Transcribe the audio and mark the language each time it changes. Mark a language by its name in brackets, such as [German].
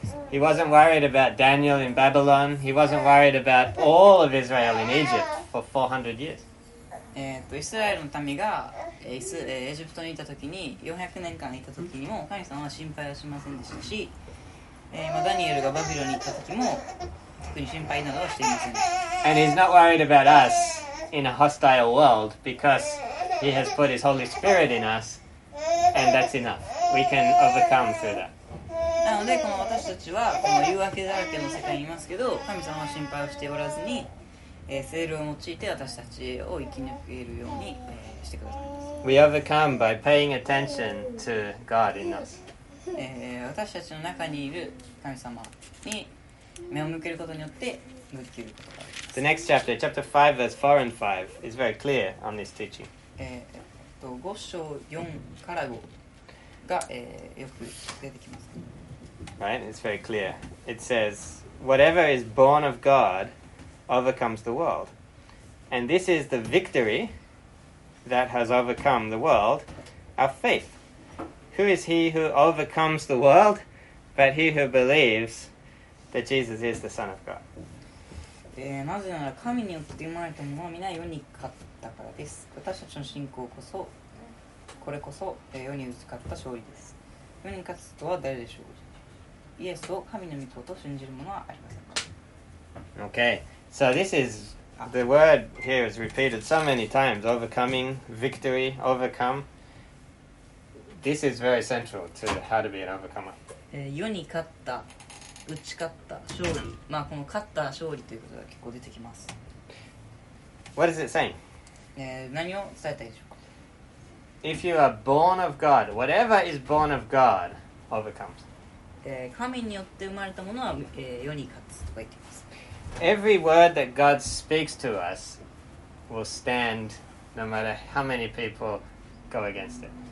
[English] He wasn't worried about Daniel in Babylon. He wasn't worried about all of Israel in Egypt for 400 years. [Japanese] イスラエルの民がエジプトにいた時に、400年間いた時にも神様は心配はしませんでしたし、ダニエルがバビロンに行った時も特に心配などはしていません。 [English] And he's not worried about us in a hostile world because he has put his Holy Spirit in us, and that's enough. We can overcome through that. [Japanese] なので、この私たちはこの誘惑だらけの世界にいますけど、神様は心配をしておらずに、聖霊を用いて私たちを生き抜けるように、してくださいます。 [English] We overcome by paying attention to God in us. [Japanese] 私たちの中にいる神様に目を向けることによって生きることができます。 [English] The next chapter, chapter 5 verse 4 and 5 is very clear on this teaching. [Japanese] 5章4から5が、よく出てきます。 [English] Right, it's very clear. It says, whatever is born of God overcomes the world. And this is the victory that has overcome the world, our faith. Who is he who overcomes the world but he who believes that Jesus is the Son of God? [Japanese] なぜなら神によって生まれたものは皆世に勝ったからです。私たちの信仰こそこれこそ、世に打ち勝った勝利です。世に勝つとは誰でしょう。イエスを神の御子と信じる者はありません。 [English] Okay, so this is the word here is repeated so many times. Overcoming, victory, overcome. This is very central to how to be an overcomer. [Japanese] 世に勝った打ち勝った勝利、まあこの勝った勝利ということが結構出てきます。 [English] What is it saying? [Japanese] 何を伝えたいでしょうか。 [English] If you are born of God, whatever is born of God overcomes. [Japanese] 神によって生まれたものは、世に勝つとか言っています。 [English] Every word that God speaks to us will stand, no matter how many people go against it.